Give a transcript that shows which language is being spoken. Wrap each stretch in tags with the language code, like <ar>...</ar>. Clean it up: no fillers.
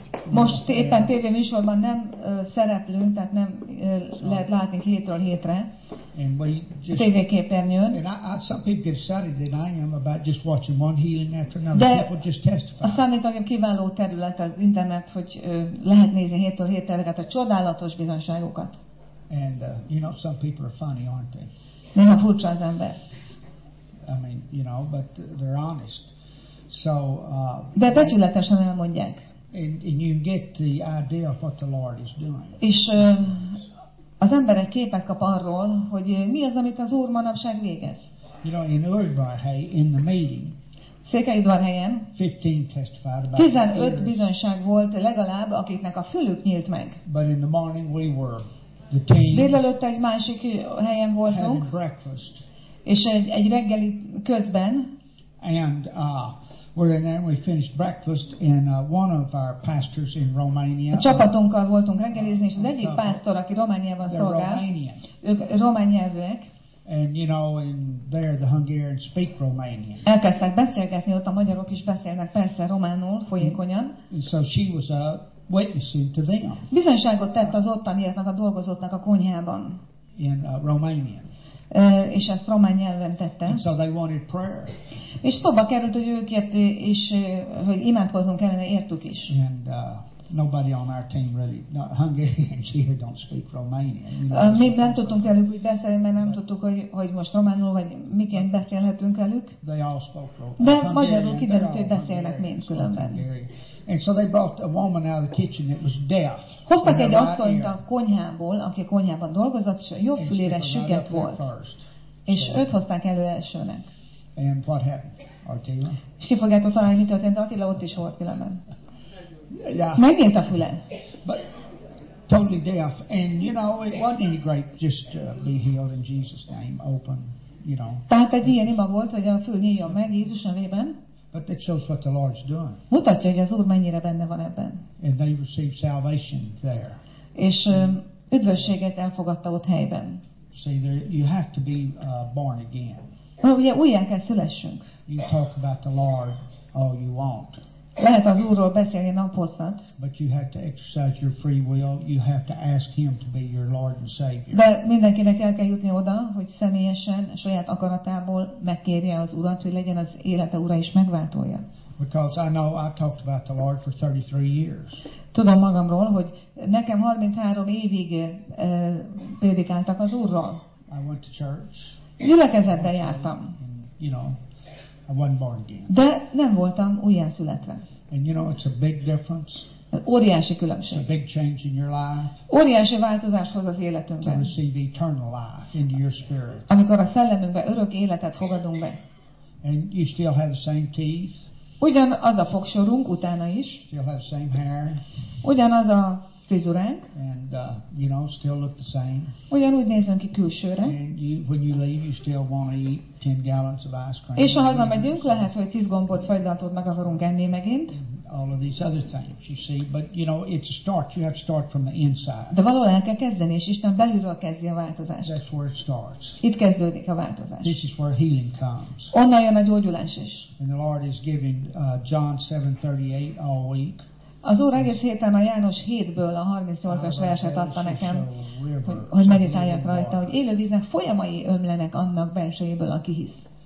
<hu>Most éppen TV műsorban nem szereplünk, tehát nem lehet látni hétről hétre.</hu> <en>And we just</en> <hu>TV képernyőn.</hu> <en>Some people get excited than I am about just watching one healing after another. People just testify.</en> <hu>A számítógép kiváló terület az internet, hogy lehet nézni hétről hétre ezeket a csodálatos bizonyságokat.</hu> <en>And you know, some people are funny, aren't they?</en> <hu>Néha furcsa az ember.</hu> <en>I mean, you know, but they're honest. So.</en> <hu>De becsületesen elmondják.</hu> <en>And you get the idea of what the Lord is doing.</en> <hu>És az emberek képet kap arról, hogy mi az, amit az Úr manapság végez.</hu> <en>You know, in Urbahely, in the meeting,</en> <hu>Székely Udvarhelyen 15 bizonyság volt legalább, akiknek a fülük nyílt meg.</hu> <en>But in the morning we were the team.</en> <hu>Délelőtt egy másik helyen voltunk,</hu> <en>breakfast.</en> <hu>És egy reggeli közben.</hu> <en>And we're in there. We finished breakfast, and one of our pastors in Romania.</en> <hu>A csapatunkkal voltunk reggelizni, és az egyik pásztor, aki Romániában szolgál, ők román nyelvűek.</hu> <en>And you know, and there the Hungarians speak Romanian.</en> <hu>Elkezdtek beszélgetni, ott a magyarok is beszélnek, persze románul, folyékonyan.</hu> <en>And so she was witnessing to them.</en> <hu>Bizonyságot tett az ottaniaknak, a dolgozóknak a konyhában.</hu> <en>In Romania.</en> <hu>És ezt román nyelven tette.</hu> <en>So they wanted prayer.</en> <hu>És szóba került, hogy őket is, hogy imádkozzunk kellene, értük is.</hu> <en>And nobody on our team really, not Hungarians here don't speak Romanian. You know,</en> <hu>mi nem tudtunk velük úgy beszélni, mert nem tudtuk, hogy most románul, vagy miként beszélhetünk velük.</hu> <en>They all spoke Romanian.</en> <hu>De magyarul kiderült, hogy beszélnek mind különben.</hu> <en>And so they brought a woman out of the kitchen that was deaf.</en> <hu>Hoztak egy asszonyt a konyhából, aki a konyhában dolgozott, és a jobb fülére süket volt. És őt hozták elő elsőnek.</hu> <en>And what happened, Attila?</en> <hu>És ki fogjátok találni, mi történt? Attila ott is volt különben.</hu> <en>Yeah.</en> <hu>Megnyílt a füle.</hu> <en>But totally deaf. And you know, it wasn't any great just to be healed in Jesus' name, open, you know.</en> <hu>Tehát egy ilyen ima volt, hogy a fül nyíljon meg Jézus nevében.</hu> <en>But that shows what the Lord's doing.</en> <hu>Mutatja, hogy az Úr mennyire benne van ebben.</hu> <en>And they received salvation there.</en> <hu>És üdvösséget elfogadta ott helyben.</hu> <en>See, there, you have to be born again.</en> <hu>Ugye újjá kell szülessünk.</hu> <en>You talk about the Lord all you want.</en> <hu>Lehet az Úrról beszélni naphosszat.</hu> <en>But you have to exercise your free will. You have to ask Him to be your Lord and Savior.</en> <hu>De mindenkinek el kell jutni oda, hogy személyesen, saját akaratából megkérje az Urat, hogy legyen az élete Ura is megváltója.</hu> <en>Because I know I talked about the Lord for 33 years.</en> <hu>Tudom magamról, hogy nekem 33 évig prédikáltak az Úrról.</hu> <en>I went to church.</en> <hu>Gyülekezetbe jártam.</hu> <en>You know, I wasn't born again.</en> <hu>De nem voltam újjászületve.</hu> <en>And you know, it's a big difference.</en> <hu>Óriási különbség.</hu> <en>It's a big change in your life.</en> <hu>Óriási változás hoz az életünkben.</hu> <en>To receive eternal life into your spirit.</en> <hu>Amikor a szellemünkbe örök életet fogadunk be.</hu> <en>And you still have the same teeth.</en> <hu>Ugyanaz a fogsorunk utána is.</hu> <en>Still have the same hair.</en> <hu>Ugyanaz a frizuránk.</hu> <en>And you know, still look the same.</en> <hu>Ugyanúgy nézünk ki külsőre.</hu> <en>And you, when you leave, you still want to eat 10 gallons of ice cream.</en> <hu>És ha hazamegyünk, lehet, hogy 10 gombóc fagylaltot meg akarunk enni megint.</hu> <en>All of these other things, you see, but you know, it's a start. You have to start from the inside.</en> <hu>De valahol el kell kezdeni, és Isten belülről kezdi a változást.</hu> <en>That's where it starts.</en> <hu>Itt kezdődik a változás.</hu> <en>This is where healing comes.</en> <hu>Onnan jön a gyógyulás is.</hu> <en>And the Lord is giving John 7:38 all week.</en> <hu>Az Úr egész héten a János 7-ből a 38-as verset adta nekem, hogy meditáljak rajta, hogy élő víznek folyamai ömlenek annak bensőjéből, aki hisz.</hu>